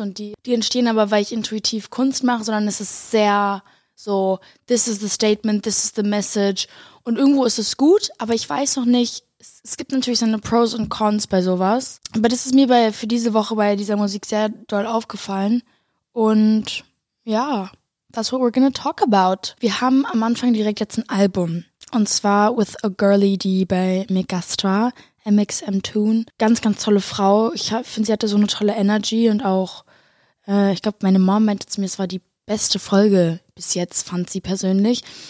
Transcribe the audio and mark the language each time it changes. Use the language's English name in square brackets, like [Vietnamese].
[German] Und die entstehen aber, weil ich intuitiv Kunst mache, sondern es ist sehr so, [English] this is the statement, this is the message. [German] Und irgendwo ist es gut, aber ich weiß noch nicht, es gibt natürlich seine Pros und Cons bei sowas. Aber das ist mir für diese Woche bei dieser Musik sehr doll aufgefallen. [English] Und ja, that's what we're gonna talk about. [German] Wir haben am Anfang direkt jetzt ein Album. Und zwar With a Girly D bei Megastra, MXM-Tune. Ganz, ganz tolle Frau. Ich finde, sie hatte so eine tolle Energy und auch, ich glaube, meine Mom meinte zu mir, es war die beste Folge bis jetzt, fand sie persönlich.